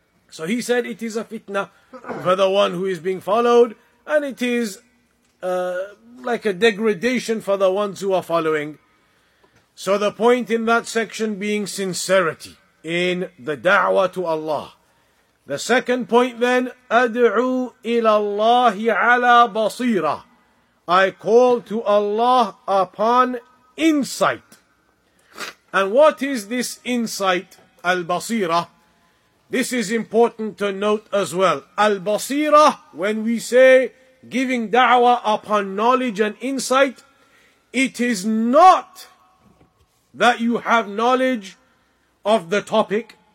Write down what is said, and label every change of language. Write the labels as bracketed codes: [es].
[en] So he said it is a fitna for the one who is being followed, and it is like a degradation for the ones who are following. So the point in that section being sincerity in the da'wah to Allah. The second point then, [ar] أدعو إلى الله على بصيرة. [en] I call to Allah upon insight. And what is this insight? al-basira. This is important to note as well. Al-basira, when we say giving da'wah upon knowledge and insight, it is not that you have knowledge of the topic.